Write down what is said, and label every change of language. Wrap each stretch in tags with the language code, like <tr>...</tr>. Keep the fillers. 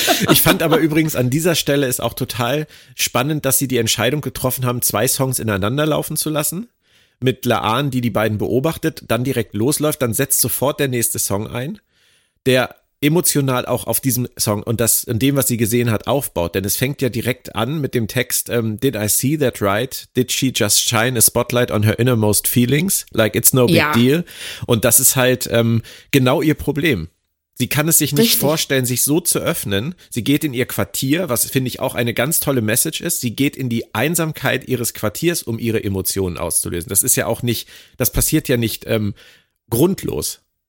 <de>ich fand aber übrigens an dieser Stelle ist auch total spannend, dass sie die Entscheidung getroffen haben, zwei Songs ineinander laufen zu lassen. Mit Laan, die die beiden beobachtet, dann direkt losläuft, dann setzt sofort der nächste Song ein, der emotional auch auf diesem Song und das in dem, was sie gesehen hat, aufbaut. Denn es fängt ja direkt an mit dem Text ähm,</de> <en>Did I see that right? Did she just shine a spotlight on her innermost feelings? Like it's no big</en> <de>Ja.</de> <en>deal.</en> <de>Und das ist halt ähm, genau ihr Problem. Sie kann es sich nicht Richtig. vorstellen, sich so zu öffnen. Sie geht in ihr Quartier, was finde ich auch eine ganz tolle Message ist. Sie geht in die Einsamkeit ihres Quartiers, um ihre Emotionen auszulösen. Das ist ja auch nicht, das passiert ja nicht ähm, grundlos.</de>